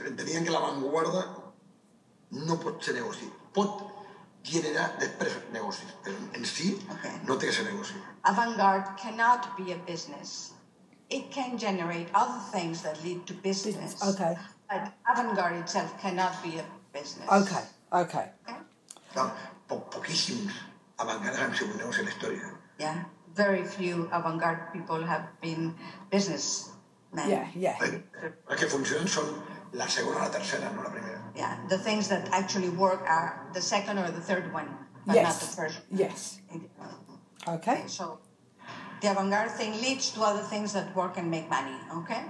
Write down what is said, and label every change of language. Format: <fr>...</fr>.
<es>Entendían que la vanguardia no puede ser negocio. Puede generar después negocios, pero en sí no tiene que ser negocio.</es> <en>Avant-garde cannot be a business. It can generate other things that lead to business. Okay. But avant-garde itself cannot be a business. Okay. Okay.</en> <es>Poquísimos avant-gardes han sido negocios en la historia. Yeah.</es> <en>Very few avant-garde people have been businessmen. Yeah, yeah.</en> <es>Las que funcionan son la segunda o la tercera, no la primera.</es> <en>Yeah, the things that actually work are the second or the third one, but yes, not the first. Yes. Okay. So the avant-garde thing leads to other things that work and make money, okay?</en>